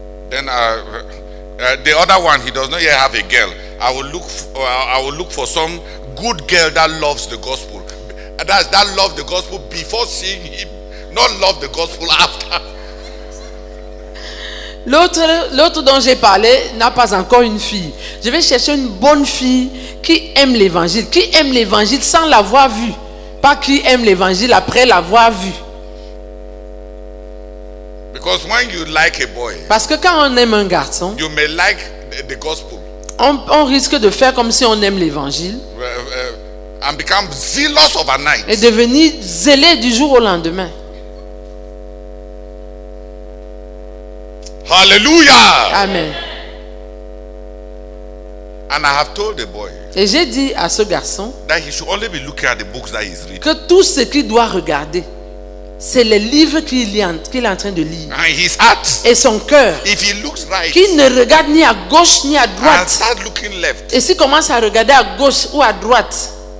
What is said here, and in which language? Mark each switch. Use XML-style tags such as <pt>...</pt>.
<en>Then the other one, he does not yet have a girl. I will look for some good girl that loves the gospel. That loves the gospel before seeing him, not love the gospel after.</en> <fr>L'autre dont j'ai parlé n'a pas encore une fille. Je vais chercher une bonne fille qui aime l'évangile. Qui aime l'évangile sans l'avoir vu. Pas qui aime l'évangile après l'avoir vu.</fr> <en>Because when you like a boy,</en> <fr>parce que quand on aime un garçon,</fr> <en>you may like the gospel.</en> <fr>On risque de faire comme si on aime l'évangile.</fr> <en>And become zealous overnight.</en> <fr>Et devenir zélé du jour au lendemain.</fr> <en>Hallelujah.</en> <fr>Amen.</fr> <en>And I have told the boy.</en> <fr>Et j'ai dit à ce garçon</fr> <en>that he should only be looking at the books that he's reading.</en> <fr>Que tout ce qu'il doit regarder, c'est les livres qu'il est en train de lire.</fr> <en>And his heart.</en> <fr>Et son cœur.</fr> <en>If he looks right.</en> <fr>Qu'il ne regarde ni à gauche ni à droite.</fr> <en>And start looking left.</en> <fr>Et s'il commence à regarder à gauche ou à droite,</fr>